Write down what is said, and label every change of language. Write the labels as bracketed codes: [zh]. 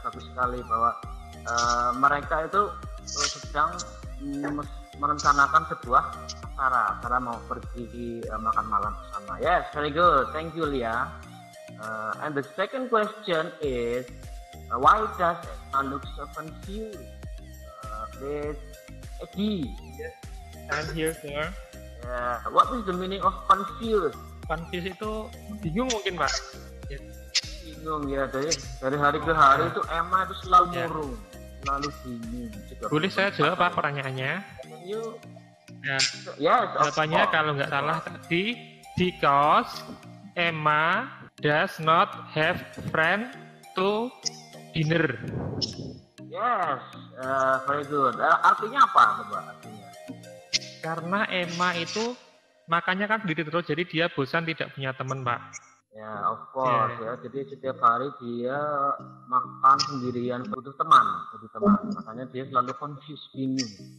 [id] Bagus sekali bahwa mereka itu sedang merencanakan sebuah acara, acara mau pergi makan malam bersama. [en] Yes, very good. Thank you, Leah. And the second question is, why does Emma look so confused? With Eddie. Yes, I'm here, sir. Yeah. What is the meaning of confused? [id] Confused itu bingung mungkin, Pak. Yes. Bingung, ya. Dari hari ke hari itu Emma itu selalu murung. Selalu bingung. Boleh saya jawab, Pak, pertanyaannya? [en] Can you? Yes, [id] jawabannya kalau nggak salah tadi, [en] because Emma does not have friend to dinner. Yes, very good. [id] Artinya apa, coba artinya? Karena Emma itu makannya kan sendiri terus, jadi dia bosan tidak punya teman, Pak. Ya, [en] yeah, of course. Yeah. [id] Ya. Jadi setiap hari dia makan sendirian, butuh teman. Makanya dia selalu confused, bingung.